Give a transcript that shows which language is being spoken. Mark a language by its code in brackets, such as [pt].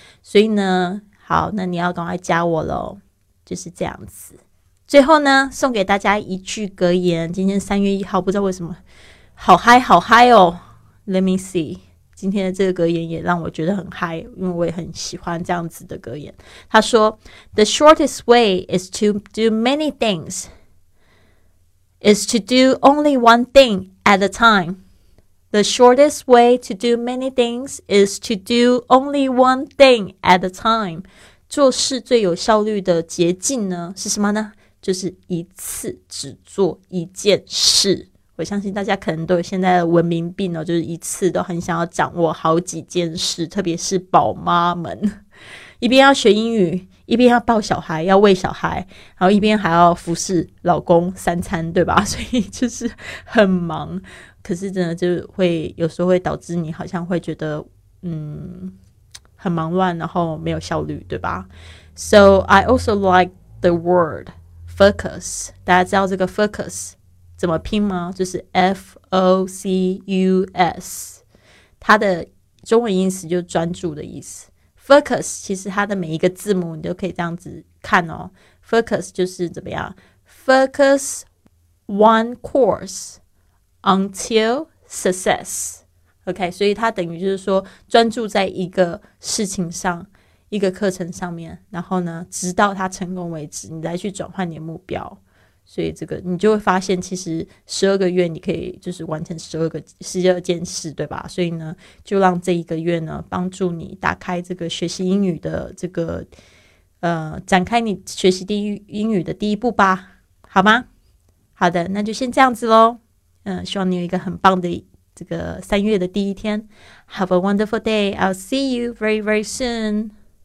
[zh] 所以呢好，那你要赶快加我咯，就是这样子。最后呢送给大家一句格言，今天3月1号不知道为什么好嗨好嗨哦， [en] Let me see， [zh] 今天的这个格言也让我觉得很嗨，因为我也很喜欢这样子的格言。他说 [en] The shortest way is to do many things is to do only one thing at a time， The shortest way to do many things is to do only one thing at a time. [zh] 做事最有效率的捷径呢，是什么呢？就是一次只做一件事。我相信大家可能都有现在的文明病哦，就是一次都很想要掌握好几件事，特别是宝妈们。一边要学英语，一边要抱小孩，要喂小孩，然后一边还要服侍老公三餐，对吧？所以就是很忙。可是真的就会有时候会导致你好像会觉得很忙乱，然后没有效率，对吧？ [en] So I also like the word focus. [zh] 大家知道这个 focus 怎么拼吗？就是 F-O-C-U-S， 它的中文意思就是专注的意思。 Focus 其实它的每一个字母你都可以这样子看哦， Focus 就是怎么样， [en] Focus one courseUntil success. [zh] OK, 所以它等于就是说专注在一个事情上，一个课程上面，然后呢直到它成功为止，你再去转换你的目标。所以这个你就会发现其实12个月你可以就是完成12件事，对吧？所以呢就让这一个月呢帮助你打开这个学习英语的这个展开你学习英语的第一步吧，好吗？好的，那就先这样子咯。希望你有一个很棒的这个三月的第一天。 [en] Have a wonderful day. I'll see you very, very soon.